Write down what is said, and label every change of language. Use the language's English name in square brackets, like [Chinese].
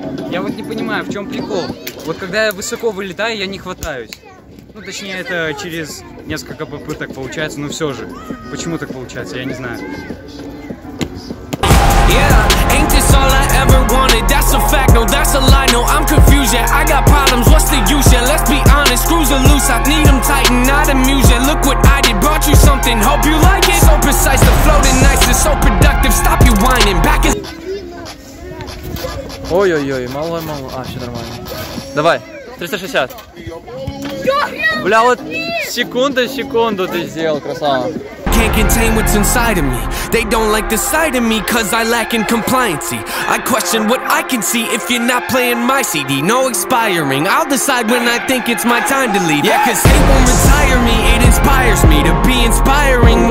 [Russian] Я вот не понимаю, в чем прикол. Вот когда я высоко вылетаю, я не хватаюсь. Ну, точнее, это через несколько попыток получается, но все же. Почему так получается, я не знаю. [English] Yeah, ain't this all I ever wanted? That's a fact, no, that's a lie, no, I'm confused, yeah. I got problems, what's the use, yeah, let's be honest. Screws are loose, I need them tightened, not amused, yeah. Look what I did, brought you something, hope you like it. So precise, the flow the nicest, so productive, stop you whining. Back in... [Russian] Ой-ой-ой, мало-мало, а, все нормально. Давай, 360. Бля, вот секунду ты сделал, красава. [English] Can't contain what's inside of me. They don't like the sight of me, cause I lack in compliancy. I question what I can see if you're not playing my CD. No expiring, I'll decide when I think it's my time to leave. Yeah, cause hate won't retire me, it inspires me to be inspiring.